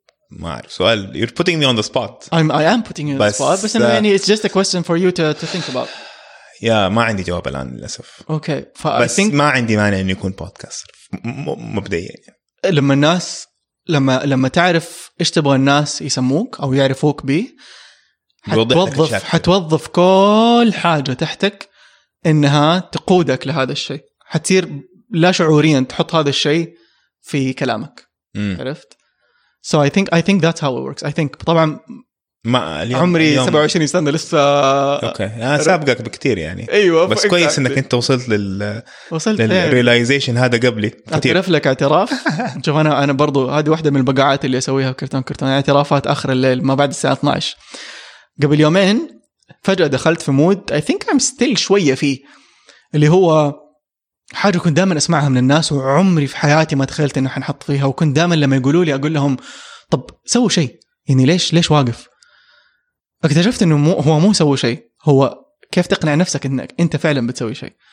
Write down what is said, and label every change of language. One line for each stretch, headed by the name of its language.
Arabic: ما اعرف سؤال،
English: you're putting me on the spot. I am putting you on the spot
Arabic: بس يعني
English: it's just a question for you to think about.
Arabic: يا ما عندي جواب الان للاسف. اوكي بس
English: think...
Arabic: ما عندي مانع انه يكون بودكاستر مبدئيا. لما الناس لما تعرف ايش تبغى الناس يسموك او يعرفوك به، حتوظف كل حاجه تحتك انها تقودك لهذا الشيء، حتصير لا شعوريا تحط هذا الشيء في كلامك. عرفت؟
English: So I think that's how it works. I think
Arabic: طبعا ما عمري 27 سنة لسه. اوكي انا سابقك بكثير يعني. ايوه بس كويس
English: exactly.
Arabic: انك انت وصلت للريلايزيشن هذا قبلي. اعترف لك اعتراف. شوف انا برضو هذه واحدة من البقاعات اللي اسويها كرتون اعترافات اخر الليل ما بعد الساعة 12. قبل يومين فجأة دخلت في مود
English: I think I'm still
Arabic: شوية فيه، اللي هو حاجة كنت دائما اسمعها من الناس وعمري في حياتي ما تخيلت انه حنحط فيها، وكنت دائما لما يقولوا لي اقول لهم طب سووا شيء، يعني ليش واقف؟ اكتشفت انه هو مو سوى شيء، هو كيف تقنع نفسك انك انت فعلا بتسوي شيء.